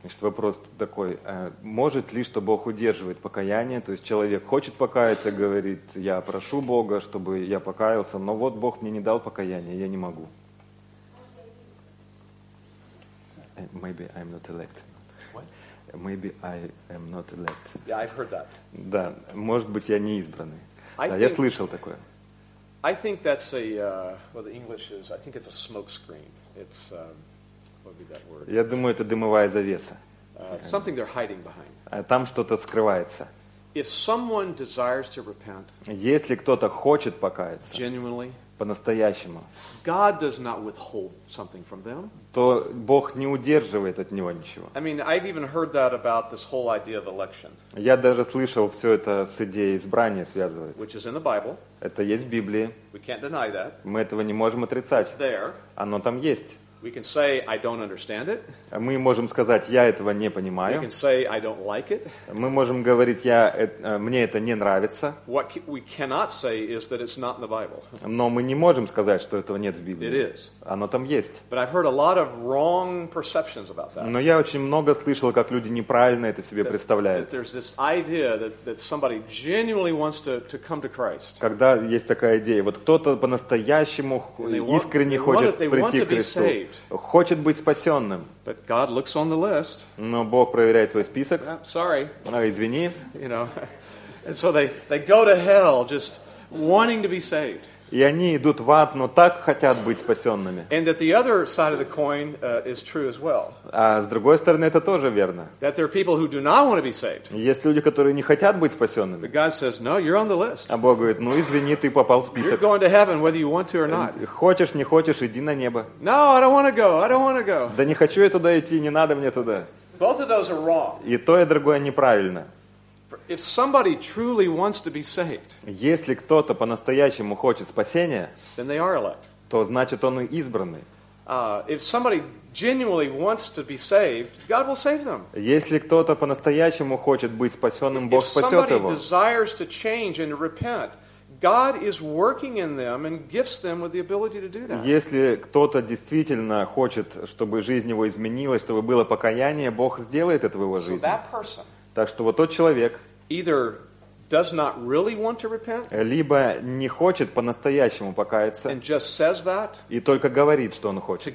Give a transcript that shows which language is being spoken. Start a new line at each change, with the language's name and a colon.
Russian: Значит, вопрос такой, может ли, что Бог удерживает покаяние, то есть человек хочет покаяться, говорит, я прошу Бога, чтобы я покаялся, но вот Бог мне не дал покаяния, я не могу.
English: Maybe I'm not elect. What? Maybe I am not elect. Yeah, I've heard that.
Russian: Да, может быть, я не избранный. Я слышал такое.
English: I think that's a, well, the English is, I think it's a smoke screen. It's, what would be that word?
Russian: Я думаю, это дымовая завеса.
English: Something they're hiding behind.
Russian: Там что-то скрывается.
English: If someone desires to repent,
Russian: если кто-то хочет покаяться,
English: genuinely,
Russian: по-настоящему,
English: God does not withhold something from them.
Russian: То Бог не удерживает от него ничего.
English: I mean, I've even heard that about this whole idea of election.
Russian: Я даже слышал все это с идеей избрания связывает.
English: Which is in the Bible.
Russian: Это есть в Библии.
English: We can't deny that.
Russian: Мы этого не можем отрицать.
English: It's there.
Russian: Оно там есть.
English: We can say I don't understand it.
Russian: Мы можем сказать, я этого не понимаю.
English: We can say I don't like it.
Russian: Мы можем говорить, мне это не нравится.
English: What we cannot say is that it's not in the Bible.
Russian: Но мы не можем сказать, что этого нет в Библии.
English: It is.
Russian: Оно там есть.
English: But I've heard a lot of wrong perceptions about that.
Russian: Но я очень много слышал, как люди неправильно это себе представляют.
English: That there's this idea that somebody genuinely wants to come to Christ.
Russian: Когда есть такая идея, вот кто-то по-настоящему искренне хочет прийти к Христу. Хочет быть спасенным.
English: But God looks on the list.
Russian: Но Бог проверяет свой список.
English: Sorry.
Russian: Извини.
English: You know. And so they go to hell just wanting to be saved.
Russian: И они идут в ад, но так хотят быть спасенными.
English: And that the other side of the coin is true as well.
Russian: А с другой стороны, это тоже верно.
English: That there are people who do not want to be saved.
Russian: Есть люди, которые не хотят быть спасенными.
English: But God says, no, you're on the list.
Russian: А Бог говорит, ну извини, ты попал в список.
English: You're going to heaven, whether you want to or not.
Russian: Хочешь, не хочешь, иди на небо.
English: No, I don't want to go, I don't want to go.
Russian: Да не хочу я туда идти, не надо мне туда.
English: Both of those are wrong.
Russian: И то, и другое неправильно.
English: If somebody truly wants to be saved,
Russian: если кто-то по-настоящему хочет спасения,
English: then they are elect.
Russian: То значит он и избранный.
English: If somebody genuinely wants to be saved, God will save them.
Russian: Если кто-то по-настоящему хочет быть спасенным, Бог спасет его.
English: If somebody desires to change and repent, God is working in them and gifts them with the ability to do that.
Russian: Если кто-то действительно хочет, чтобы жизнь его изменилась, чтобы было покаяние, Бог сделает это в его жизни.
English: So that person.
Russian: Так что вот тот человек
English: either does not really want to repent,
Russian: либо не хочет по-настоящему покаяться
English: and just says that,
Russian: и только говорит, что он хочет,